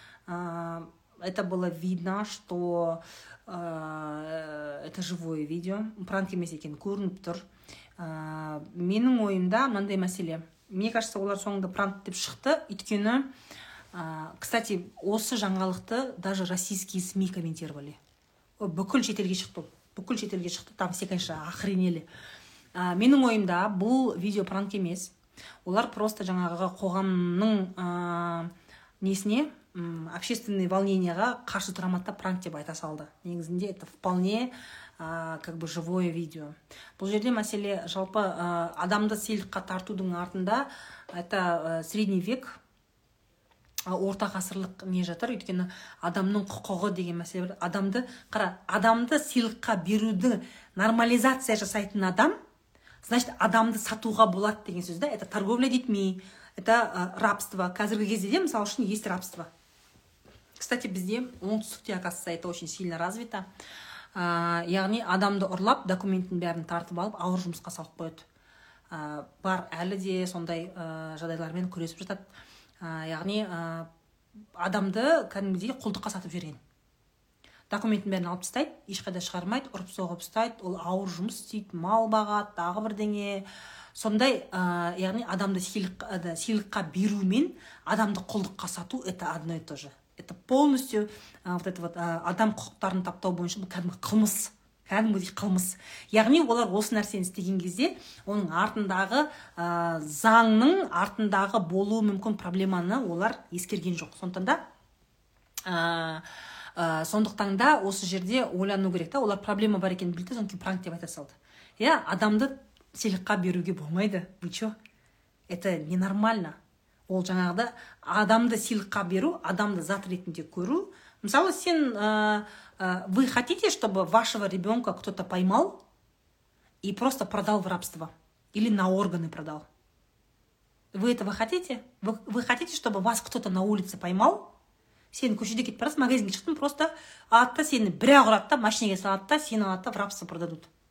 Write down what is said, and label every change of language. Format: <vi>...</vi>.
<ru>Это было видно, что это живое видео.</ru> <kk>Пранк емес екен көрініп тұр. Менің ойымда мынандай мәселе.</kk> <ru>мне кажется,</ru> <kk>олар соңында прант деп шықты. Өйткені, кстати, осы жаңалықты</kk> <ru>даже российские СМИ комментировали.</ru> <kk>Бүкіл шетелге шықты. Бүкіл шетелге шықты.</kk> <ru>Там все, конечно, охренели.</ru> <kk>Менің ойымда бұл видео пранк емес. Олар просто жаңағы қоғамның несіне, общественный волнениеға қарсы тұрамата пранк деп айта салды.</kk> <ru>Негізінде это вполне как бы живое видео.</ru> <kk>Бұл жерде мәселе жалпы адамды селдікке тартудың артында</kk> <ru>это средний век,</ru> <kk>орта ғасырлық не жатыр, өйткені адамның құқығы деген мәселе бір. Адамды, қара, адамды селдікке беруді нормализация жасайтын адам, значит, адамды сатуға болады деген сөз, да?</kk> <ru>Это торговля детьми, это рабство.</ru> <kk>Қазіргі кезде де, мысал үшін,</kk> <ru>есть рабство. Кстати,</ru> <kk>бізде оңтүстікте,</kk> <ru>оказывается, это очень сильно развито.</ru> <kk>Яғни адамды ұрлап, документін бәрін тартып алып, ауыр жұмысқа салып қойды. Бар әлі де сондай жағдайлармен күресіп жатады. Яғни адамды кәдімгідей құлдыққа сатып жіберген. Документін бәрін алып тастайды, ешқайда шығармайды, ұрып соғып ұстайды, ол ауыр жұмыс істейді, мал бағады, тағы бірдеңе. Сондай, яғни адамды сыйлыққа беру мен адамды құлдыққа сату</kk> <ru>это одно и то же. Это полностью вот это вот</ru> <kk>адам құқықтарын таптау бойынша бұл кәдімгі қылмыс. Кәдімгідей қылмыс. Яғни олар осы нәрсені істеген кезде оның артындағы заңның артындағы болуы мүмкін проблеманы олар ескерген жоқ. Сондықтан да сондықтан да осы жерде ойлану керек та, олар проблема бар екенін білді, сонымен пранк деп айта салды. Иә, адамды сыйлыққа беруге болмайды.</kk> <ru>Вы что? Это ненормально.</ru> <kk>Ол жаңағыда адамды сыйлыққа беру, адамды зат ретінде көру. Мысалы, сен,</kk> <ru>вы хотите, чтобы вашего ребенка кто-то поймал и просто продал в рабство? Или на органы продал? Вы этого хотите? Вы хотите, чтобы вас кто-то на улице поймал?</ru> <kk>Сен көшеде кетіп барасың, магазинге шықтың, просто атты сені бірақ ұрады да, машинеге салады да, сені алады да,</kk> <ru>в рабство продадут.</ru>